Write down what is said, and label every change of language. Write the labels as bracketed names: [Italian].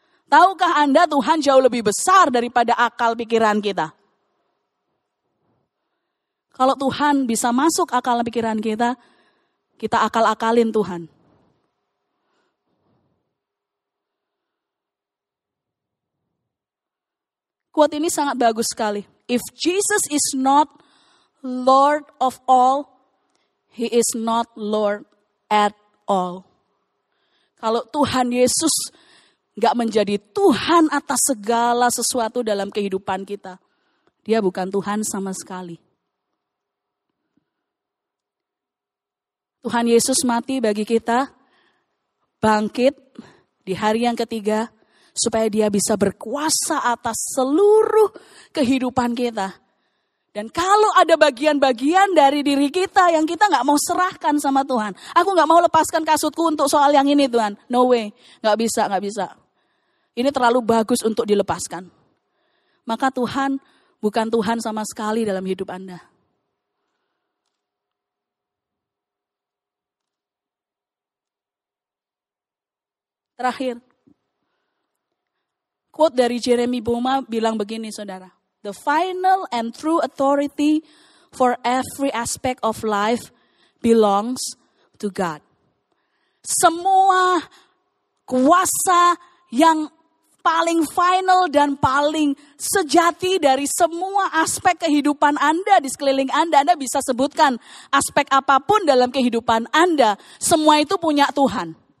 [Indonesian] Tahukah Anda Tuhan jauh lebih besar daripada akal pikiran kita? Kalau Tuhan bisa masuk akal pikiran kita, kita akal-akalin Tuhan. Quote ini sangat bagus sekali. [English] If Jesus is not Lord of all, he is not Lord at all. [Indonesian] Kalau Tuhan Yesus gak menjadi Tuhan atas segala sesuatu dalam kehidupan kita, dia bukan Tuhan sama sekali. Tuhan Yesus mati bagi kita, bangkit di hari yang ketiga, supaya dia bisa berkuasa atas seluruh kehidupan kita. Dan kalau ada bagian-bagian dari diri kita yang kita gak mau serahkan sama Tuhan. Aku gak mau lepaskan kasutku untuk soal yang ini Tuhan. [English] No way, [Indonesian] gak bisa. Ini terlalu bagus untuk dilepaskan. Maka Tuhan bukan Tuhan sama sekali dalam hidup Anda. Terakhir. Quote dari Jeremy Boma bilang begini, saudara. [English] The final and true authority for every aspect of life belongs to God. [Indonesian] Semua kuasa yang paling final dan paling sejati dari semua aspek kehidupan Anda di sekeliling Anda. Anda bisa sebutkan aspek apapun dalam kehidupan Anda. Semua itu punya Tuhan.